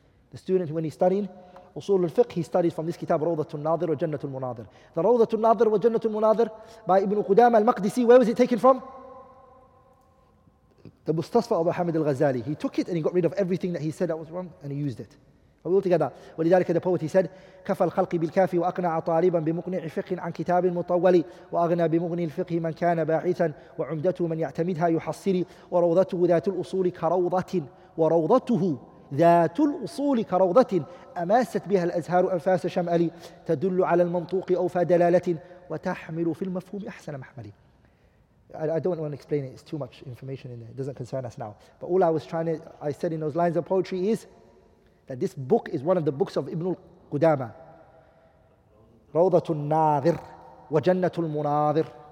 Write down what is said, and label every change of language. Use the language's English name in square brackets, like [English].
[English] The student, when he's studying Usul al-Fiqh, he studies from this kitab, Rawdatu al-Nadir wa Jannatu al-Munadir. The Rawdatu al-Nadir wa Jannatu al-Munadir by Ibn Qudama al-Maqdisi, where was it taken from? The Mustasfa of Muhammad al-Ghazali. He took it and he got rid of everything that he said that was wrong, and he used it. Are we all together? [Arabic] ولذلك [English] the poet, he said, [Arabic] كَفَى الْخَلْقِ بِالْكَافِ وَأَقْنَعَ طَالِبًا بِمُقْنِعِ فِقْهٍ عَنْ كِتَابٍ مُطَوَّلِ وَأَغْنَى بِمُغْنِي الْفِقْهِ مَنْ كَانَ بَاعِثًا وَعُمْدَتُهُ مَنْ يَعْتَمِدْهَا يُحَصِّرِ وَرَوْضَتُهُ ذَاتُ الْأُصُولِ كَرَوْضَةٍ وَرَوْضَتُهُ ذات الأصول كروضة أماست بها الأزهار أنفاس شمألي تدل على المنطوق أوفى دلالة وتحمل في المفهوم أحسن محمل. [English] I don't want to explain it, it's too much information in there, it doesn't concern us now. But all I was trying to, I said in those lines of poetry is that this book is one of the books of Ibn al-Qudama. Rawdatul Nadir wa Jannatul Munadir.